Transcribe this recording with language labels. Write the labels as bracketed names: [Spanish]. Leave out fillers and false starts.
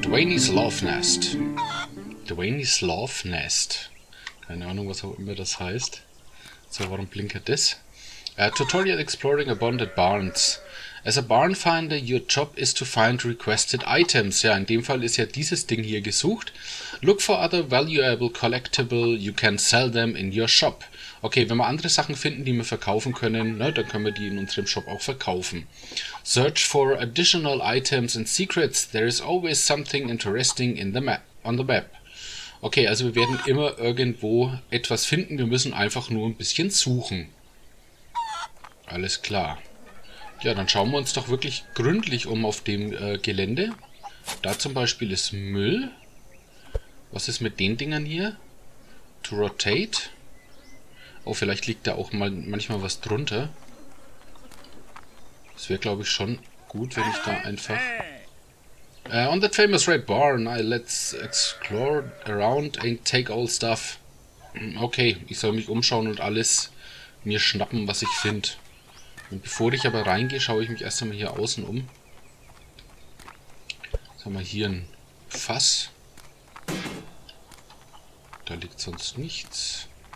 [English] Dwayne's Love Nest. Dwayne's Love Nest. [German] Keine Ahnung, was auch immer das heißt. So, warum blinkert das? [English] Tutorial Exploring Abandoned Barns. As a barn finder, your job is to find requested items. [German] Ja, in dem Fall ist ja dieses Ding hier gesucht. [English] Look for other valuable collectible, you can sell them in your shop. [German] Okay, wenn wir andere Sachen finden, die wir verkaufen können, ne, dann können wir die in unserem Shop auch verkaufen. [English] Search for additional items and secrets, there is always something interesting in the map, on the map. [German] Okay, also wir werden immer irgendwo etwas finden, wir müssen einfach nur ein bisschen suchen. Alles klar. Ja, dann schauen wir uns doch wirklich gründlich um auf dem Gelände. Da zum Beispiel ist Müll. Was ist mit den Dingern hier? [English] To rotate. [German] Oh, vielleicht liegt da auch mal manchmal was drunter. Es wäre, glaube ich, schon gut, wenn ich da einfach... [English] on that famous red barn, let's explore around and take all stuff. [German] Okay, ich soll mich umschauen und alles mir schnappen, was ich finde. Und bevor ich aber reingehe, schaue ich mich erst einmal hier außen um. Jetzt haben wir hier ein Fass. Da liegt sonst nichts.